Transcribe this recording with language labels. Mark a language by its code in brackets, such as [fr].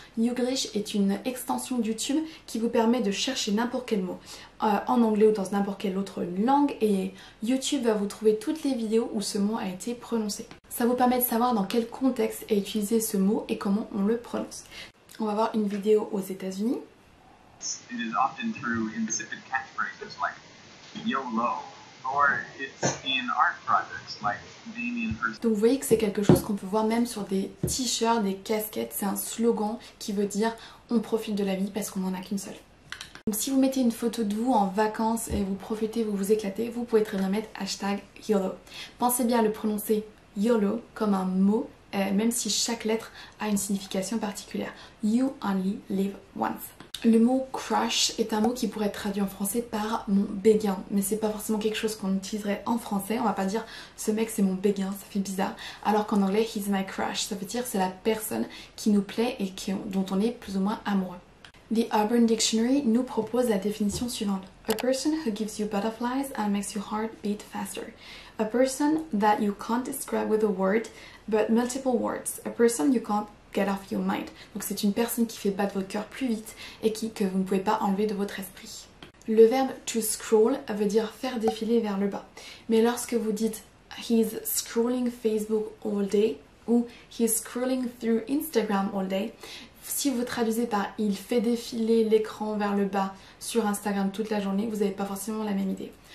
[fr] YouGlish est une extension YouTube qui vous permet de chercher n'importe quel mot en anglais ou dans n'importe quelle autre langue et YouTube va vous trouver toutes les vidéos où ce mot a été prononcé. Ça vous permet de savoir dans quel contexte est utilisé ce mot et comment on le prononce. On va voir une vidéo aux États-Unis. [en] It is often through insipid catchphrases like YOLO. Or it's in art projects like Damien Hirst. [fr] Donc vous voyez que c'est quelque chose qu'on peut voir même sur des t-shirts, des casquettes. C'est un slogan qui veut dire on profite de la vie parce qu'on n'en a qu'une seule. Donc si vous mettez une photo de vous en vacances et vous profitez, vous vous éclatez, vous pouvez très bien mettre hashtag YOLO. Pensez bien à le prononcer YOLO comme un mot, même si chaque lettre a une signification particulière. [en] You only live once. [fr] Le mot crush est un mot qui pourrait être traduit en français par mon béguin, mais c'est pas forcément quelque chose qu'on utiliserait en français. On va pas dire ce mec c'est mon béguin, ça fait bizarre. Alors qu'en anglais, [en] he's my crush, [fr] ça veut dire c'est la personne qui nous plaît et dont on est plus ou moins amoureux. The Urban Dictionary nous propose la définition suivante. [en] A person who gives you butterflies and makes your heart beat faster. A person that you can't describe with a word, but multiple words. A person you can't get off your mind. [fr] Donc c'est une personne qui fait battre votre cœur plus vite et que vous ne pouvez pas enlever de votre esprit. Le verbe to scroll veut dire faire défiler vers le bas. Mais lorsque vous dites [en] he's scrolling Facebook all day [fr] ou [en] he's scrolling through Instagram all day, [fr] si vous traduisez par il fait défiler l'écran vers le bas sur Instagram toute la journée, vous n'avez pas forcément la même idée.